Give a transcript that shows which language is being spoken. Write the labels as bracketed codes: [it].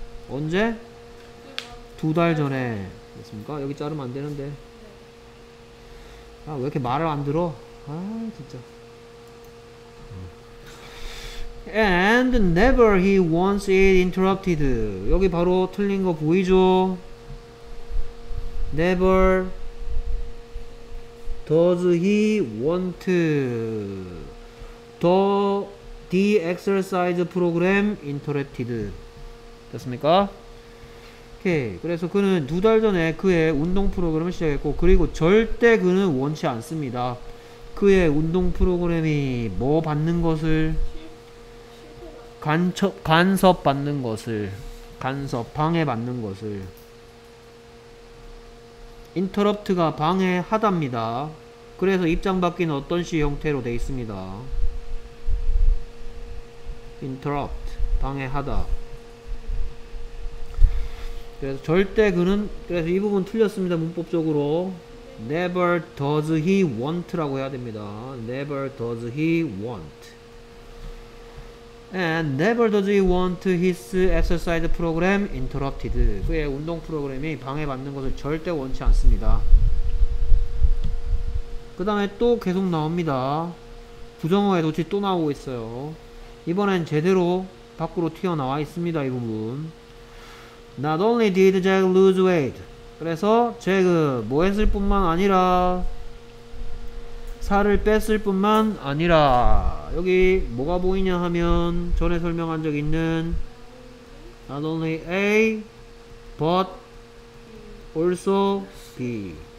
[ko] 언제? 두 달 전에. 됐습니까? 여기 자르면 안 되는데. 아, 왜 이렇게 말을 안 들어? 아, 진짜. [en] And never he wants it interrupted. [ko] 여기 바로 틀린 거 보이죠? [en] Never does he want the exercise program interrupted. [ko] 됐습니까? 오케이. 그래서 그는 두 달 전에 그의 운동 프로그램을 시작했고 그리고 절대 그는 원치 않습니다. 그의 운동 프로그램이 뭐 받는 것을? 간섭 받는 것을. 간섭, 방해 받는 것을. interrupt가 방해하답니다. 그래서 입장 바뀌는 어떤 시 형태로 되어 있습니다. interrupt, 방해하다. 그래서 절대 그는, 그래서 이 부분 틀렸습니다, 문법적으로. [en] Never does he want [ko] 라고 해야 됩니다. [en] Never does he want. And never does he want his exercise program interrupted. [ko] 그의 운동 프로그램이 방해받는 것을 절대 원치 않습니다. 그 다음에 또 계속 나옵니다. 부정어의 도치 또 나오고 있어요. 이번엔 제대로 밖으로 튀어나와 있습니다, 이 부분. [en] Not only did Jack lose weight. [ko] 그래서 잭은 뭐 했을 뿐만 아니라 살을 뺐을 뿐만 아니라 여기 뭐가 보이냐 하면 전에 설명한 적 있는 Not only A but also B.